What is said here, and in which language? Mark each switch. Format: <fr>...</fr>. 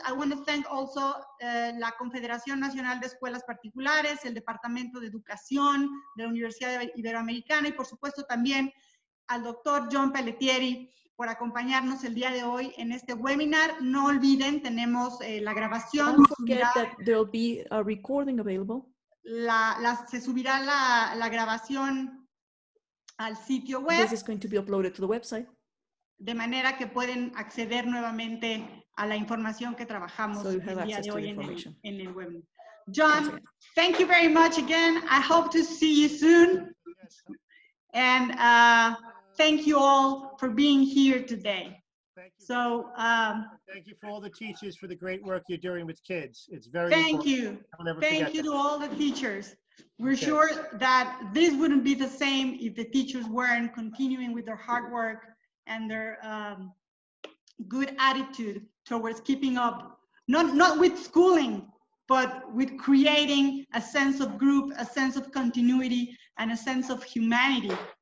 <en>I want to thank also</en> <es>La Confederación Nacional de Escuelas Particulares, el Departamento de Educación de la Universidad Iberoamericana, y por supuesto también al Dr. John Pellitteri por acompañarnos el día de hoy en este webinar. No olviden, tenemos la grabación.</es> <en>Don't forget that there will be a recording available.</en> <es>Se subirá la grabación al sitio web.</es> <en>This is going to be uploaded to the website.</en> <es>De manera que pueden acceder nuevamente a la información que trabajamos el día de hoy en el webinar.</es> <en>John, thank you very much again. I hope to see you soon. And thank you all for being here today. Thank you. Thank you for all the teachers for the great work you're doing with kids. It's very thank important. You. Never thank you that. To all the teachers. We're okay. Sure that this wouldn't be the same if the teachers weren't continuing with their hard work and their good attitude towards keeping up, not with schooling, but with creating a sense of group, a sense of continuity, and a sense of humanity.</en>